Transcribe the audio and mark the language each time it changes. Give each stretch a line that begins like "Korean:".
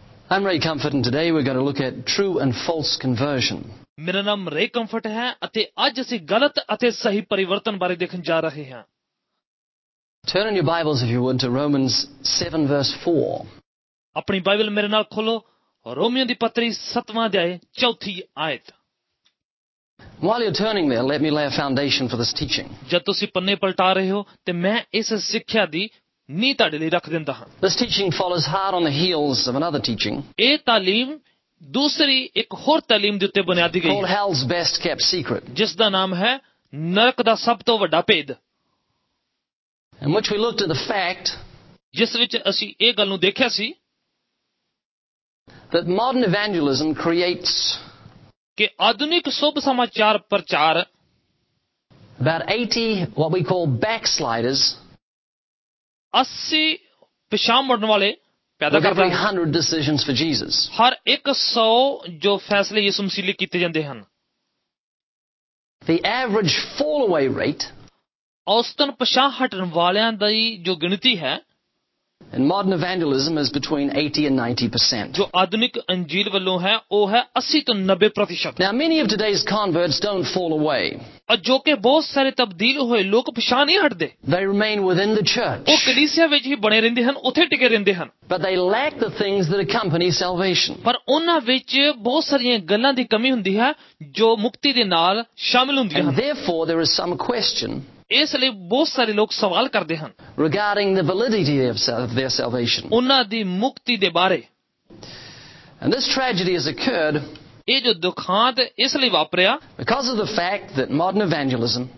English: I'm Ray Comfort and today we're going to look at true and false conversion.
Punjabi: ਮੇਰਾ ਨਾਮ ਰੇ comfort ਹੈ ਅਤੇ ਅੱਜ ਅਸੀਂ ਗਲਤ ਅਤੇ ਸਹੀ ਪਰਿਵਰਤਨ ਬਾਰੇ ਦੇਖਣ ਜਾ ਰਹੇ ਹਾਂ।
English: Turn in your Bibles if you want to Romans 7 verse 4.
Punjabi: ਆਪਣੀ ਬਾਈਬਲ ਮੇਰੇ ਨਾਲ ਖੋਲੋ ਰੋਮੀਓ ਦੀ ਪੱਤਰੀ 7ਵਾਂ ਅਧਿਆਏ 4ਵੀਂ ਆਇਤ।
English: While you're turning there, let me lay a foundation for this teaching.
Punjabi: ਜਦ ਤੁਸੀਂ ਪੰਨੇ ਪਲਟਾ ਰਹੇ ਹੋ ਤੇ ਮੈਂ ਇਸ ਸਿੱਖਿਆ ਦੀ ਨੀਂਹ ਤੁਹਾਡੇ ਲਈ ਰੱਖ ਦਿੰਦਾ ਹਾਂ।
English: This teaching follows hard on the heels of another teaching.
Punjabi: ਇਹ ਤਾਲੀਮ ਦੂਸਰੀ ਇੱਕ ਹੋਰ ਤਾਲੀਮ ਦੇ ਉੱਤੇ ਬੁਨਿਆਦੀ ਗਈ
English: hell's best kept secret,
Punjabi: ਜਿਸ ਦਾ ਨਾਮ ਹੈ ਨਰਕ ਦਾ ਸਭ ਤੋਂ ਵੱਡਾ ਭੇਦ।
English: and which we looked at the fact,
Punjabi: ਜਿਸ ਵਿੱਚ ਅਸੀਂ ਇਹ ਗੱਲ ਨੂੰ ਦੇਖਿਆ ਸੀ
English: that modern evangelism creates,
Punjabi: ਕਿ ਆਧੁਨਿਕ ਸ਼ੁਭ ਸਮਾਚਾਰ ਪ੍ਰਚਾਰ
English: about 80 what we call backsliders,
Punjabi: 80 ਪਿਛਾਂਹ ਮੁੜਨ ਵਾਲੇ
English: every 100 decisions for Jesus.
Punjabi: ਹਰ 100 ਜੋ ਫੈਸਲੇ ਯਿਸੂ ਮਸੀਹ ਲਈ ਕੀਤੇ ਜਾਂਦੇ ਹਨ।
English: The average fall away rate,
Punjabi: ਔਸਤਨ ਪਛਾਹ ਹਟਣ ਵਾਲਿਆਂ ਦੀ ਜੋ ਗਿਣਤੀ ਹੈ,
English: in modern evangelism is between 80 and 90%.
Punjabi: ਜੋ ਆਧੁਨਿਕ ਅੰਜੀਲ ਵੱਲੋਂ ਹੈ ਉਹ ਹੈ 80 ਤੋਂ 90%।
English: Now many of today's converts don't fall away.
Punjabi: ਜੋ ਕਿ ਬਹੁਤ ਸਾਰੇ ਤਬਦੀਲ ਹੋਏ ਲੋਕ ਪਛਾਣ ਨਹੀਂ ਹਟਦੇ।
English: They remain within the church.
Punjabi: ਉਹ ਕਲੀਸਿਆ ਵਿੱਚ ਹੀ ਬਣੇ ਰਹਿੰਦੇ ਹਨ, ਉੱਥੇ ਟਿਕੇ ਰਹਿੰਦੇ ਹਨ।
English: But they lack the things that accompany salvation.
Punjabi: ਪਰ ਉਹਨਾਂ ਵਿੱਚ ਬਹੁਤ ਸਾਰੀਆਂ ਗੱਲਾਂ ਦੀ ਕਮੀ ਹੁੰਦੀ ਹੈ ਜੋ ਮੁਕਤੀ ਦੇ ਨਾਲ ਸ਼ਾਮਿਲ ਹੁੰਦੀਆਂ ਹਨ।
English: Therefore there is some question.
Punjabi: ਇਸ ਲਈ ਬਹੁਤ ਸਾਰੇ ਲੋਕ ਸਵਾਲ ਕਰਦੇ ਹਨ
English: regarding the validity of their salvation.
Punjabi: ਉਹਨਾਂ ਦੀ ਮੁਕਤੀ ਦੇ ਬਾਰੇ।
English: And this tragedy has occurred.
Punjabi: ਇਹ ਜੋ ਦੁਖਾਂਤ ਇਸ ਲਈ ਵਾਪਰਿਆ
English: because of the fact that modern evangelism,